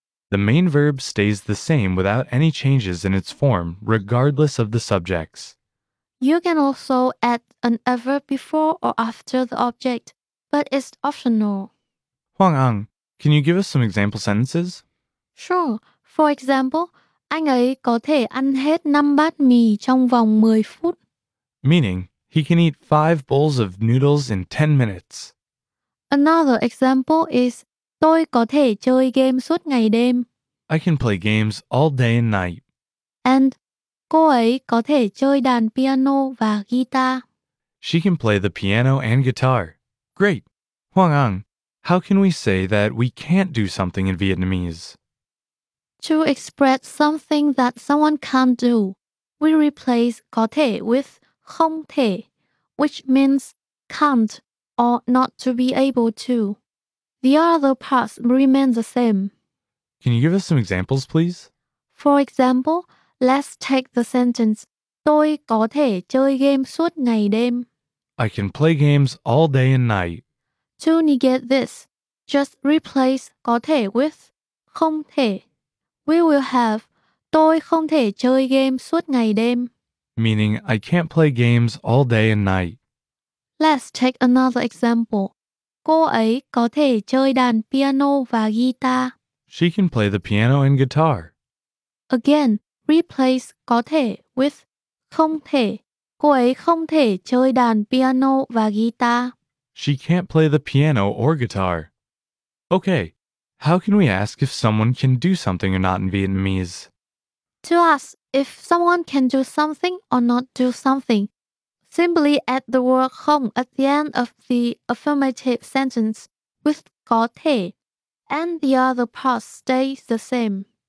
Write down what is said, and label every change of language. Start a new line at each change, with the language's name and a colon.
English: The main verb stays the same without any changes in its form, regardless of the subjects. You can also add an adverb before or after the object, but it's optional. Hoàng Ang, can you give us some example sentences? Sure. For example,
Vietnamese: anh ấy có thể ăn hết 5 bát mì trong vòng 10 phút.
English: Meaning, he can eat 5 bowls of noodles in 10 minutes. Another example is,
Vietnamese: tôi có thể chơi game suốt ngày đêm.
English: I can play games all day and night.
Vietnamese: And cô ấy có thể chơi đàn piano và guitar.
English: She can play the piano and guitar. Great. Hoàng Ang, how can we say that we can't do something in Vietnamese? To express something that someone can't do, we replace có thể with không thể, which means can't or not to be able to. The other parts remain the same. Can you give us some examples, please? For example, let's take the sentence,
Vietnamese: tôi có thể chơi game suốt ngày đêm.
English: I can play games all day and night. To negate this, just replace có thể with không thể. We will have
Vietnamese: tôi không thể chơi game suốt ngày đêm.
English: Meaning, I can't play games all day and night. Let's take another example.
Vietnamese: Cô ấy có thể chơi đàn piano và guitar.
English: She can play the piano and guitar. Again, replace có thể with không thể.
Vietnamese: Cô ấy không thể chơi đàn piano và guitar.
English: She can't play the piano or guitar. Okay, how can we ask if someone can do something or not in Vietnamese? To ask if someone can do something or not do something, simply add the word không at the end of the affirmative sentence with có thể, and the other part stays the same.